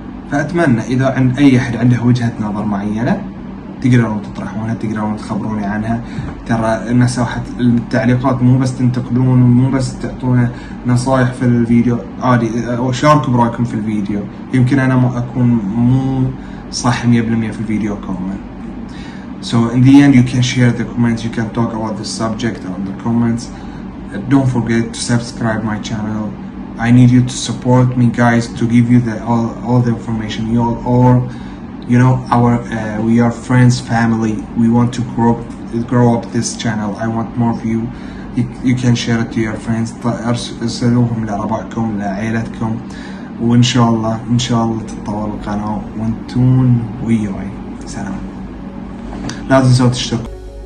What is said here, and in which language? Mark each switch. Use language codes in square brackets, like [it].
[ar] فأتمنى إذا عند أي أحد عنده وجهة نظر معينة تقدرون تطرحونها، تقدرون تخبروني عنها. ترى مساحة التعليقات مو بس تنتقدون ومو بس تعطون نصايح في الفيديو، عادي وشاركوا برأيكم في الفيديو، يمكن أنا ما أكون مو صح 100% في الفيديو كامل. [en] So in the end you can share the comments, you can talk about the subject on the comments. Don't forget to subscribe my channel. I need you to support me guys, to give you the all the information. You all you know our we are friends, family. We want to grow up this channel. I want more of you. You can share it to your friends. [ar] ارسلوهم لربعكم لعائلتكم، وإن شاء الله إن شاء الله تتطور القناة وانتون وياي. سلام، لا تنسوا تشتركوا.